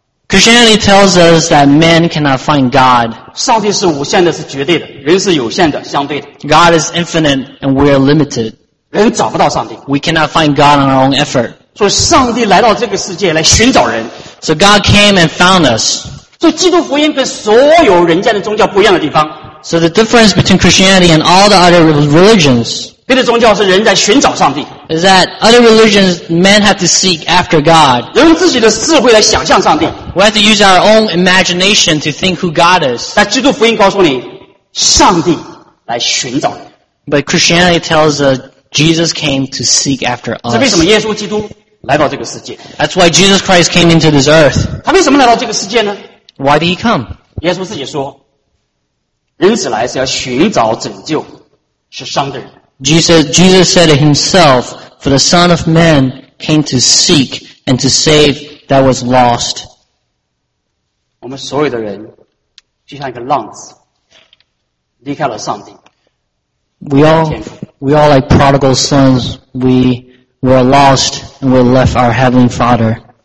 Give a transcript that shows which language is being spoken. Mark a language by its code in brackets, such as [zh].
[en] Christianity tells us that man cannot find God. [zh] 上帝是无限的, 是绝对的, 人是有限的, 相对的, [en] God is infinite and we are limited. [zh] 人找不到上帝, [en] we cannot find God on our own effort. [zh] 所以上帝来到这个世界来寻找人, [en] so God came and found us. [zh] 所以基督福音跟所有人间的宗教不一样的地方, [en] so the difference between Christianity and all the other religions, [zh] 别的宗教是人在寻找上帝, [en] is that other religions, men have to seek after God. [zh] 用自己的智慧来想象上帝, [en] we have to use our own imagination to think who God is. [zh] 但基督福音告诉你, 上帝来寻找你, [en] but Christianity tells us Jesus came to seek after us. [zh] 这为什么耶稣基督?来到这个世界, [en] that's why Jesus Christ came into this earth. [zh] 他为什么来到这个世界呢? [en] Why did he come? [zh] 耶稣自己说, 人子来是要寻找拯救, 是伤的人。 [en] Jesus said it himself, for the Son of Man came to seek and to save that was lost. [zh] 我们所有的人, 就像一个浪子, 离开了上帝, [en] we all like prodigal sons, we're lost and we left our Heavenly Father.